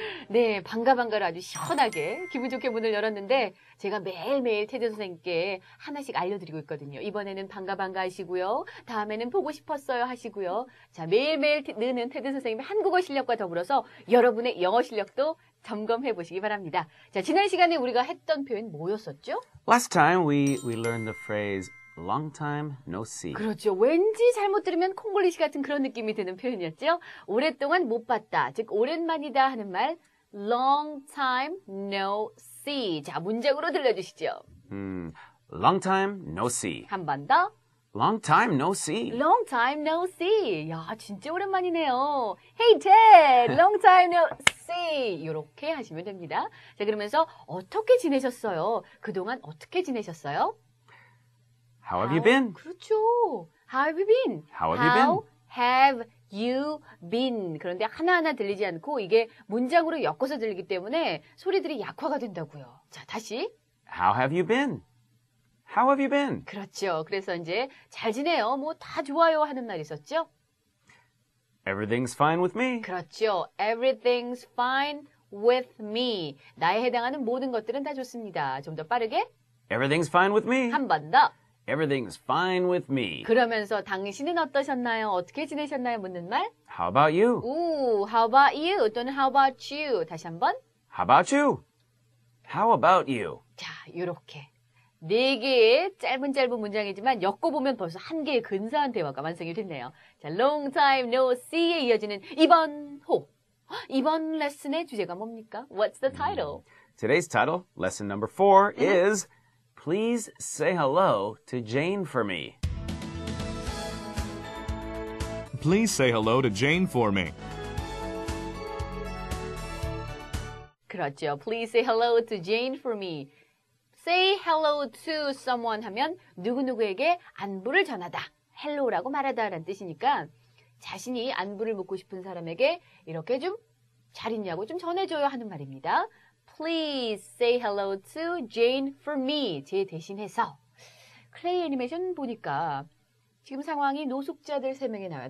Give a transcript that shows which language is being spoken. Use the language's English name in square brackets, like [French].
[Korean] 네, 반가 반가로 아주 시원하게 기분 좋게 문을 열었는데 제가 매일매일 태준 선생님께 하나씩 알려드리고 있거든요. 이번에는 반가 반가 하시고요. 다음에는 보고 싶었어요 하시고요. 자, 매일매일 느는 태준 선생님의 한국어 실력과 더불어서 여러분의 영어 실력도 점검해 보시기 바랍니다. 자, 지난 시간에 우리가 했던 표현 뭐였었죠? [English] Last time we learned the phrase long time no see. [Korean] 그렇죠. 왠지 잘못 들으면 콩글리시 같은 그런 느낌이 드는 표현이었죠. 오랫동안 못 봤다. 즉 오랜만이다 하는 말 [English] long time no see. [Korean] 자, 문장으로 들려주시죠. [English] Long time no see. [Korean] 한 번 더. [English] Long time no see. Long time no see. [Korean] 야, 진짜 오랜만이네요. [English] Hey Ted, long time no see. [Korean] 이렇게 하시면 됩니다. 자, 그러면서 어떻게 지내셨어요? 그동안 어떻게 지내셨어요? [English] How have you been? [Korean] 그렇죠. [English] How have you been? How have you been? How have you been? [Korean] 그런데 하나하나 들리지 않고 이게 문장으로 엮어서 들리기 때문에 소리들이 약화가 된다고요. 자, 다시. [English] How have you been? How have you been? [Korean] 그렇죠. 그래서 이제 잘 지내요. 뭐 다 좋아요 하는 말 있었죠? [English] Everything's fine with me. [Korean] 그렇죠. [English] Everything's fine with me. [Korean] 나에 해당하는 모든 것들은 다 좋습니다. 좀 더 빠르게. [English] Everything's fine with me. [Korean] 한 번 더. [English] Everything's fine with me. [Korean] 그러면서 당신은 어떠셨나요? 어떻게 지내셨나요? 묻는 말. [English] How about you? 오, how about you? [Korean] 또는 [English] how about you? [Korean] 다시 한 번. [English] How about you? How about you? [Korean] 자, 이렇게. 네 개의 짧은 짧은 문장이지만 엮어보면 벌써 한 개의 근사한 대화가 완성이 됐네요. 자, [English] long time no see [Korean] 에 이어지는 이번 호. 이번 레슨의 주제가 뭡니까? [English] What's the title? Today's title, lesson number 4 is Please say hello to Jane for me. Please say hello to Jane for me. [Korean] 그렇죠. [English] Please say hello to Jane for me. Say hello to someone [Korean] 하면 누구누구에게 안부를 전하다. Hello라고 말하다라는 뜻이니까 자신이 안부를 묻고 싶은 사람에게 이렇게 좀 잘 있냐고 좀 전해줘요 하는 말입니다. [English] Please say hello to Jane for me. [Korean] 제 대신해서. 클레이 애니메이션 보니까 지금 상황이 노숙자들 세 명이 나와요.